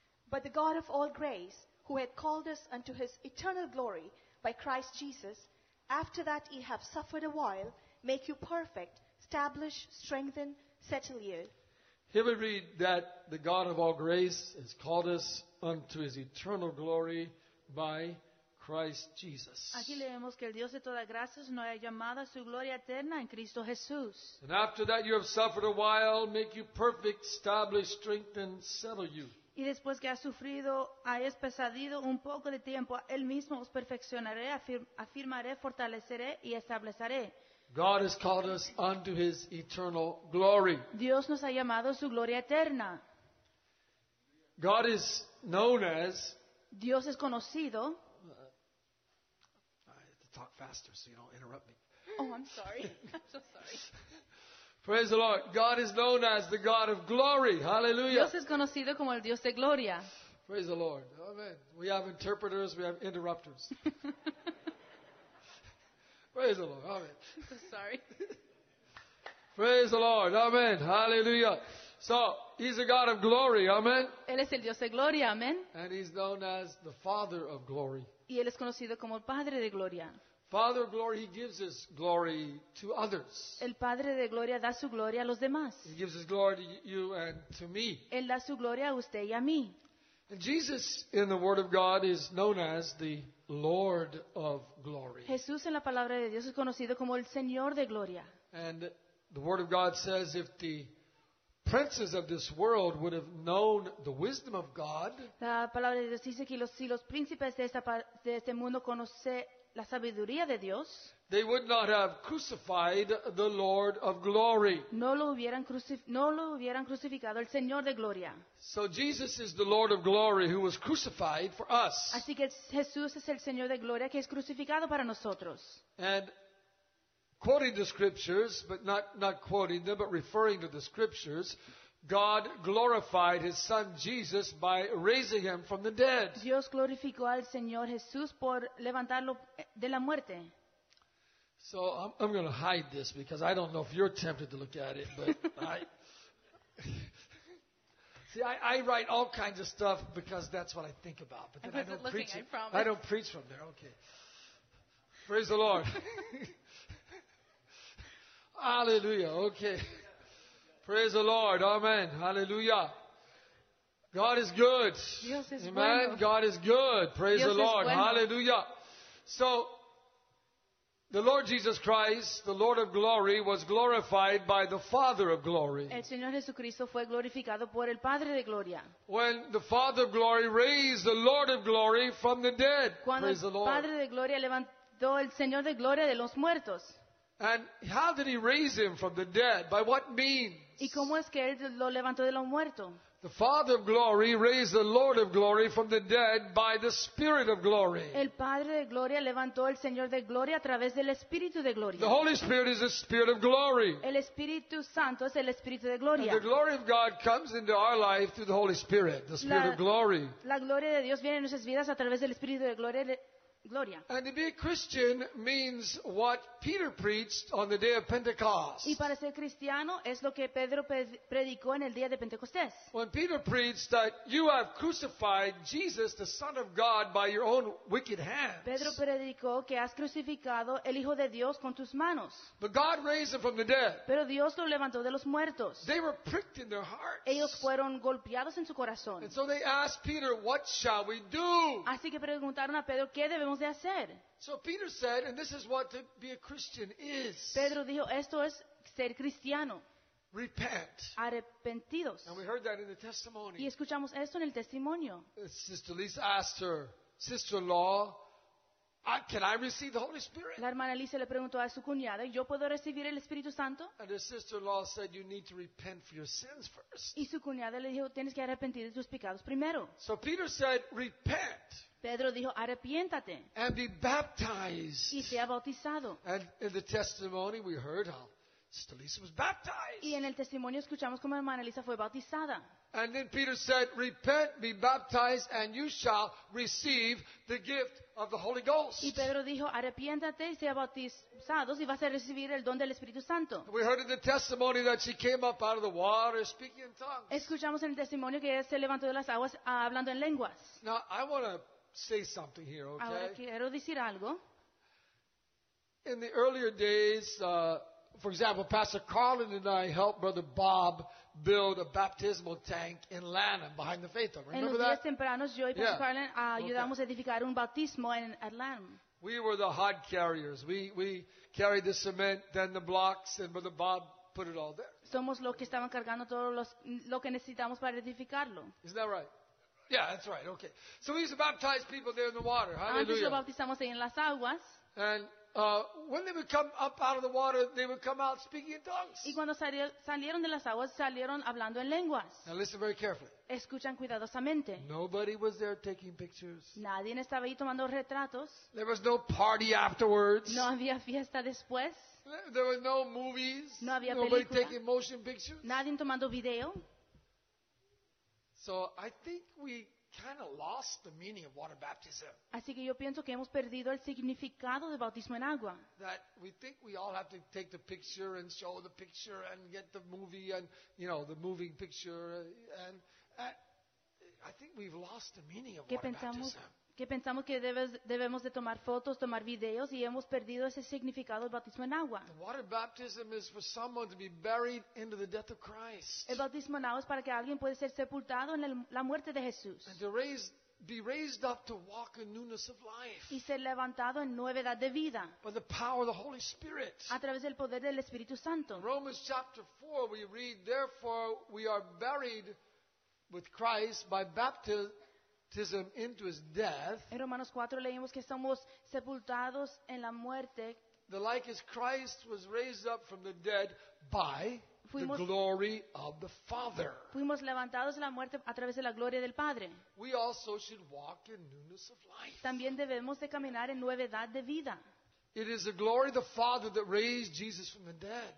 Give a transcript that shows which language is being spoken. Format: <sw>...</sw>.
<en>But the God of all grace, who had called us unto his eternal glory by Christ Jesus, after that ye have suffered a while, make you perfect, establish, strengthen, settle you. Here we read that the God of all grace has called us unto his eternal glory by Christ Jesus.</en> <es>Aquí leemos que el Dios de toda gracia nos ha llamado a su gloria eterna en Cristo Jesús.</es> <en>And after that you have suffered a while, make you perfect, establish, strengthen, settle you.</en> <es>Y después que has sufrido, hayas pesadido un poco de tiempo, Él mismo os perfeccionaré, afirmaré, fortaleceré y estableceré.</es> <en>God has called us unto his eternal glory.</en> <es>Dios nos ha llamado a su gloria eterna.</es> <en>God is known as</en> <es>Dios es conocido.</es> <en>I have to talk faster so you don't interrupt me. Oh, I'm sorry. Praise the Lord. God is known as the God of glory. Hallelujah.</en> <es>Dios es conocido como el Dios de gloria.</es> <en>Praise the Lord. Amen. We have interpreters, we have interrupters. Praise the Lord. Amen. Sorry. Praise the Lord. Amen. Hallelujah. So, he's a God of glory. Amen.</en> <es>Él es el Dios de gloria. Amen.</es> <en>And he's known as the Father of glory.</en> <es>Y él es conocido como el Padre de gloria.</es> <en>Father of glory, he gives his glory to others.</en> <es>El Padre de gloria da su gloria a los demás.</es> <en>He gives his glory to you and to me.</en> <es>Él da su gloria a usted y a mí.</es> <en>And Jesus in the Word of God is known as the Lord of glory.</en> <es>Jesús en la palabra de Dios es conocido como el Señor de gloria.</es> <en>And the Word of God says if the princes of this world would have known the wisdom of God,</en> <es>la palabra de Dios dice que si los príncipes de este mundo conocen la sabiduría de Dios,</es> <en>they would not have crucified the Lord of glory.</en> <es>No lo hubieran crucificado el Señor de gloria.</es> <en>So Jesus is the Lord of glory who was crucified for us.</en> <es>Así que Jesús es el Señor de gloria que es crucificado para nosotros.</es> <en>And quoting the scriptures, but not quoting them, but referring to the scriptures, God glorified his son Jesus by raising him from the dead.</en> <es>Dios glorificó al Señor Jesús por levantarlo de la muerte.</es> <en>So I'm going to hide this because I don't know if you're tempted to look at it, but I write all kinds of stuff because that's what I think about, but then I don't preach. Looking, I promise. I don't preach from there. Okay. Praise the Lord. Hallelujah. Okay. Praise the Lord. Amen. Hallelujah. God is good.</en> <es>Dios es</es> <en>Amen.</en> <es>Bueno.</es> <en>God is good. Praise</en> <es>Dios</es> <en>the Lord.</en> <es>Bueno.</es> <en>Hallelujah. So, the Lord Jesus Christ, the Lord of glory, was glorified by the Father of glory.</en> <es>El Señor Jesucristo fue glorificado por el Padre de gloria.</es> <en>When the Father of glory raised the Lord of glory from the dead.</en> <es>Cuando</es> <en>Praise</en> <es>el</es> <en>the Lord.</en> <es>Padre de gloria levantó el Señor de gloria de los muertos.</es> <en>And how did he raise him from the dead? By what means?</en> <es>¿Y cómo es que él lo levantó de lo muerto?</es> <en>The Father of glory raised the Lord of glory from the dead by the Spirit of glory.</en> <es>El Padre de gloria levantó al Señor de gloria a través del Espíritu de gloria.</es> <en>The Holy Spirit is the Spirit of glory.</en> <es>El Espíritu Santo es el Espíritu de gloria.</es> <en>And the glory of God comes into our life through the Holy Spirit, the Spirit of glory.</en> <es>La gloria de Dios viene en nuestras vidas a través del Espíritu de gloria. Gloria.</es> <en>And to be a Christian means what Peter preached on the day of Pentecost.</en> <es>Y para ser cristiano es lo que Pedro predicó en el día de Pentecostés.</es> <en>When Peter preached that you have crucified Jesus, the Son of God, by your own wicked hands.</en> <es>Pedro predicó que has crucificado el Hijo de Dios con tus manos.</es> <en>But God raised him from the dead.</en> <es>Pero Dios lo levantó de los muertos.</es> <en>They were pricked in their hearts.</en> <es>Ellos fueron golpeados en su corazón.</es> <en>And so they asked Peter, "What shall we do?"</en> <es>Así que preguntaron a Pedro qué debemos.</es> <en>So Peter said, and this is what to be a Christian is.</en> <es>Pedro dijo, esto es ser cristiano.</es> <en>Repent.</en> <es>Arrepentidos.</es> <en>And we heard that in the testimony.</en> <es>Y escuchamos esto en el testimonio.</es> <en>Sister Lisa asked her sister-in-law, can I receive the Holy Spirit?</en> <es>La hermana Lisa le preguntó a su cuñada, ¿yo puedo recibir el Espíritu Santo?</es> <en>And her sister-in-law said, you need to repent for your sins first.</en> <es>Y su cuñada le dijo, tienes que arrepentir de tus pecados primero.</es> <en>So Peter said, repent.</en> <es>Pedro dijo, arrepiéntate.</es> <en>And be baptized.</en> <es>Y sea bautizado.</es> <en>And in the testimony we heard how Sister Lisa was baptized.</en> <es>Y en el testimonio escuchamos cómo hermana Lisa fue bautizada.</es> <en>And then Peter said, "Repent, be baptized, and you shall receive the gift of the Holy Ghost."</en> <es>Y Pedro dijo, "Arrepiéntate y sea bautizado, y vas a recibir el don del Espíritu Santo."</es> <en>We heard in the testimony that she came up out of the water speaking in tongues.</en> <es>Escuchamos en el testimonio que ella se levantó de las aguas hablando en lenguas.</es> <en>Now I want to say something here, okay?</en> <es>Ahora quiero decir algo.</es> <en>In the earlier days, for example, Pastor Carlin and I helped Brother Bob build a baptismal tank in Lanham behind the Faith Hub. Remember that?</en> <es>En los días tempranos, yo y Pastor Carlin ayudamos a edificar un bautismo en Lanham.</es> <en>We were the hod carriers. We carried the cement, then the blocks, and Brother Bob put it all there.</en> <es>Somos los que estaban cargando todo lo que necesitamos para edificarlo.</es> <en>Isn't that right? Yeah, that's right. Okay. So we used to baptize people there in the water. Hallelujah.</en> <es>Antes lo bautizamos ahí en las aguas.</es> <en>And when they would come up out of the water, they would come out speaking in tongues.</en> <es>Y cuando salieron de las aguas, salieron hablando en lenguas.</es> <en>Now listen very carefully.</en> <es>Escuchan cuidadosamente.</es> <en>Nobody was there taking pictures.</en> <es>Nadie estaba ahí tomando retratos.</es> <en>There was no party afterwards.</en> <es>No había fiesta después.</es> <en>There were no movies.</en> <es>No había película.</es> <en>Nobody taking motion pictures.</en> <es>Nadie tomando video.</es> <en>So I think we kind of lost the meaning of water baptism.</en> <es>Así que yo pienso que hemos perdido el significado de bautismo en agua.</es> <en>That we think we all have to take the picture and show the picture and get the movie and, you know, the moving picture. And I think we've lost the meaning of water baptism.</en> <es>Que pensamos que debemos de tomar fotos, tomar videos, y hemos perdido ese significado del bautismo en agua.</es> <en>The water baptism is for someone to be buried into the death of Christ.</en> <es>El bautismo en agua es para que alguien pueda ser sepultado en la muerte de Jesús.</es> <en>And to be raised up to walk in newness of life.</en> <es>Y ser levantado en nuevedad de vida.</es> <en>By the power of the Holy Spirit.</en> <es>A través del poder del Espíritu Santo.</es> <en>In Romans chapter 4 we read, "Therefore we are buried with Christ by baptism into his death."</en> <es>En Romanos 4 leímos que somos sepultados en la muerte.</es> <en>The like as Christ was raised up from the dead by the glory of the Father.</en> <es>Fuimos levantados de la muerte a través de la gloria del Padre.</es> <en>We also should walk in newness of life.</en> <es>También debemos de caminar en nuevedad de vida.</es> <en>It is the glory of the Father that raised Jesus from the dead.</en>